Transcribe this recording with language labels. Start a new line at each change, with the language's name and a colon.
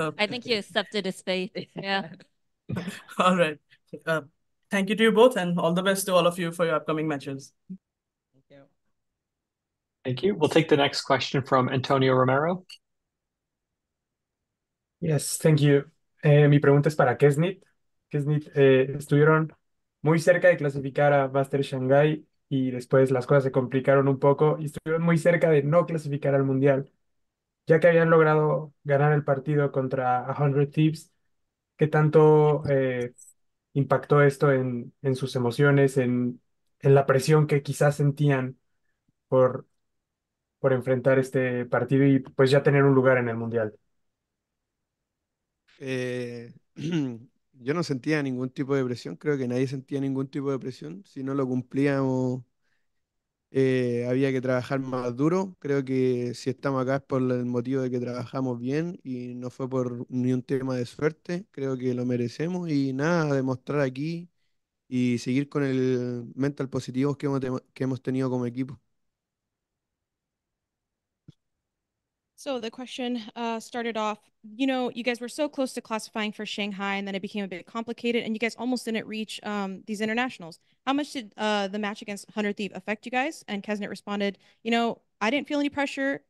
English: I think he accepted his fate. Yeah. All right. Thank you to you both and all the best to all of you for your upcoming matches. Thank you. We'll take the next question from Antonio Romero. Yes, thank you.
Spanish: Mi pregunta es para keznit. Keznit, estuvieron muy cerca de clasificar a Boaster Shanghai y después las cosas se complicaron un poco y estuvieron muy cerca de no clasificar al Mundial. Ya que habían logrado ganar el partido contra 100 Thieves, ¿qué tanto impactó esto en sus emociones, en la presión que quizás sentían por enfrentar este partido y pues ya tener un lugar en el Mundial? Yo no sentía ningún tipo de presión, creo que nadie sentía ningún tipo de presión. Si no lo cumplíamos, había que trabajar más duro. Creo que si estamos acá es por el motivo de que trabajamos bien y no fue por ni un tema de suerte. Creo que lo merecemos y nada, demostrar aquí y seguir con el mental positivo que hemos tenido como equipo.
English: So the question started off, you know, you guys were so close to classifying for Shanghai and then it became a bit complicated and you guys almost didn't reach these internationals. How much did the match against 100 Thief affect you guys? And keznit responded, you know, I didn't feel any pressure.